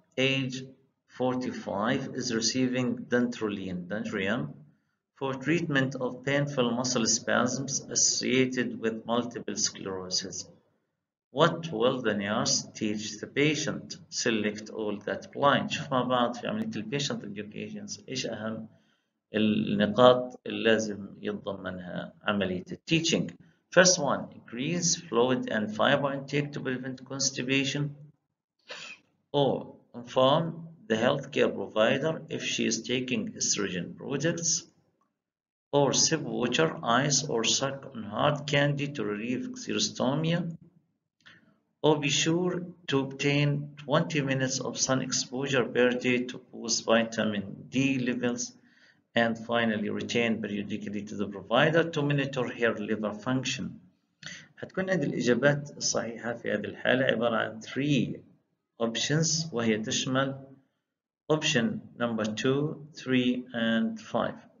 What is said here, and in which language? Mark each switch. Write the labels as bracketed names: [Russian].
[English] age 45 is receiving dantrolene for treatment of painful muscle spasms associated with multiple sclerosis. What will the nurse teach the patient? Select all that blind. [Arabic] شوف ما بعد في عملية الـ patient education ايش اهم النقاط اللي لازم يتضمنها عملية الـ teaching. [English] First one, increase fluid and fiber intake to prevent constipation. Or inform the healthcare provider if she is taking estrogen products. Or sip water, ice, or suck on hard candy to relieve xerostomia. Or be sure to obtain 20 minutes of sun exposure per day to boost vitamin D levels. And finally, retain periodically to the provider to monitor her liver function. [Arabic] هتكون عند الإجابات الصحيحة في هذه الحالة عبارة عن 3 options وهي تشمل [English] option number 2, 3, and 5.